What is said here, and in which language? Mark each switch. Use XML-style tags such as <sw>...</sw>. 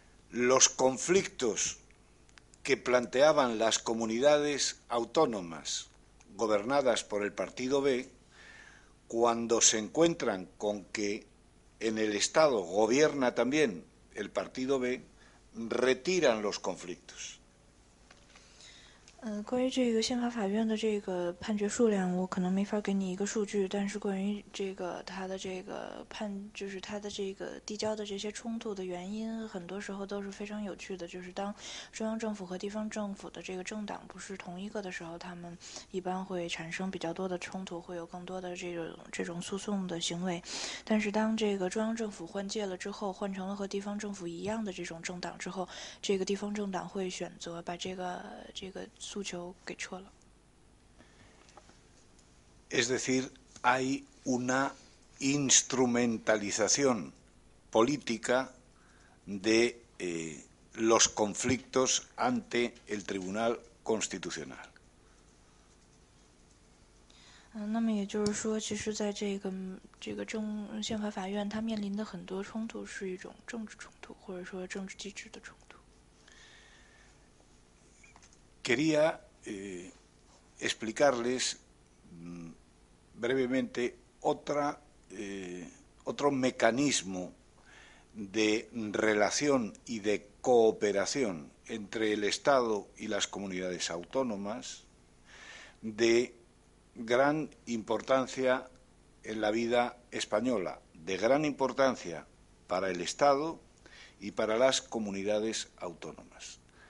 <es>los conflictos que planteaban las comunidades autónomas gobernadas por el partido B, cuando se encuentran con que en el Estado gobierna también el partido B, retiran los conflictos.</es> <zh>关于这个宪法法院的这个判决数量，我可能没法给你一个数据，但是关于这个他的这个判，就是他的这个递交的这些冲突的原因，很多时候都是非常有趣的。就是当中央政府和地方政府的这个政党不是同一个的时候，他们一般会产生比较多的冲突，会有更多的这种诉讼的行为。但是当这个中央政府换届了之后，换成了和地方政府一样的这种政党之后，这个地方政党会选择把这个诉求给撤了。</zh> <es>Es decir, hay una instrumentalización política de los conflictos ante el Tribunal Constitucional.</es> <zh>那么也就是说，其实在这个宪法法院，它面临的很多冲突是一种政治冲突，或者说政治机制的冲突。</zh> <es>Quería explicarles brevemente otro mecanismo de relación y de cooperación entre el Estado y las comunidades autónomas de gran importancia en la vida española, de gran importancia para el Estado y para las comunidades autónomas.</es>